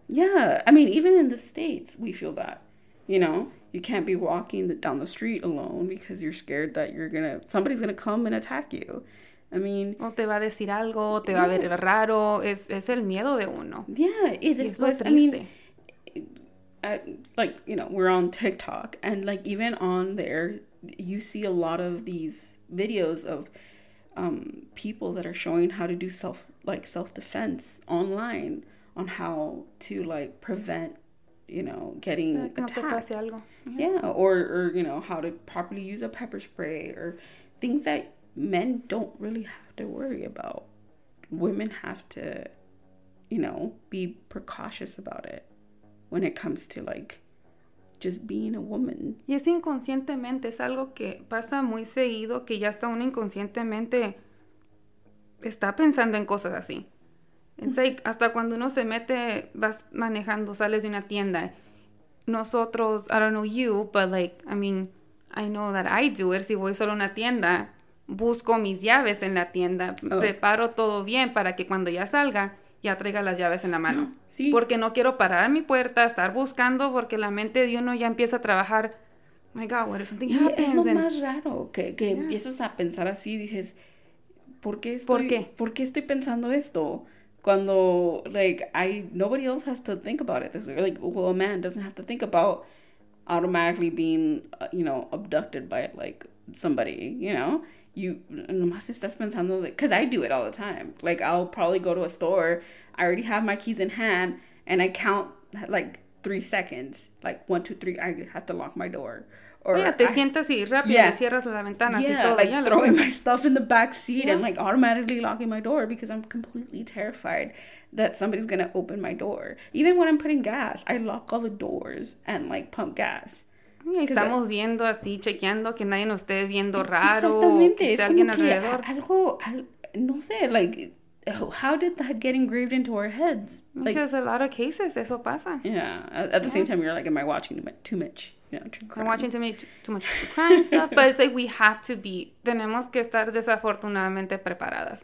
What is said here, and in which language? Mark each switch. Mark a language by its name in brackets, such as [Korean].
[English] Yeah, I mean, even in the States, we feel that. You know, you can't be walking down the street alone because you're scared that somebody's gonna come and attack you. I mean, [Spanish] o te va a decir algo, o te va a ver raro. Es el miedo de uno. [English] Yeah, it is. We're on TikTok, and like even on there, you see a lot of these videos of people that are showing how to do self-defense online on how to like prevent, you know, getting attacked. [Spanish] Algo. [English] Yeah, yeah, or you know, how to properly use a pepper spray or things that men don't really have to worry about. Women have to, you know, be precautious about it. When it comes to, like, just being a woman. [Spanish] Y es inconscientemente, es algo que pasa muy seguido, que ya está uno inconscientemente está pensando en cosas así. [English] It's like, [Spanish] hasta cuando uno se mete, vas manejando, sales de una tienda. Nosotros, [English] I don't know you, but, like, I mean, I know that I do it. [Spanish] Si voy solo a una tienda, busco mis llaves en la tienda, preparo todo bien para que cuando ya salga, ya traiga las llaves en la mano. Sí. Porque no quiero parar a mi puerta, estar buscando, porque la mente de uno ya empieza a trabajar. [English] Oh my God, what if something happens? [Spanish] Es lo más raro, que yeah. Empiezas a pensar así, dices, ¿Por qué estoy pensando esto? Cuando, [English] nobody else has to think about it this way. Like, well, a man doesn't have to think about automatically being, you know, abducted by, like, somebody, you know? You [Spanish] nomás estás pensando, [English] because I do it all the time. Like, I'll probably go to a store, I already have my keys in hand, and I count like 3 seconds, like 1, 2, 3, I have to lock my door. Or yeah, [Spanish] te sientas y rápido, yeah. Cierras la ventana. [English] Yeah, [Spanish] y todo, [English] like [Spanish] ya [English] throwing my stuff in the back seat, yeah. And like automatically locking my door because I'm completely terrified that somebody's gonna open my door. Even when I'm putting gas, I lock all the doors and like pump gas. [Spanish] Estamos viendo así, chequeando que nadie nos esté viendo raro. Exactamente. Que esté alguien alrededor. [English] How did that get engraved into our heads? Because a lot of cases, [Spanish] eso pasa. [English] Yeah. At the same time, you're like, am I watching too much, you know, true crime? I'm watching too much true crime stuff. But it's like, we have to be, [Spanish] tenemos que estar desafortunadamente preparadas.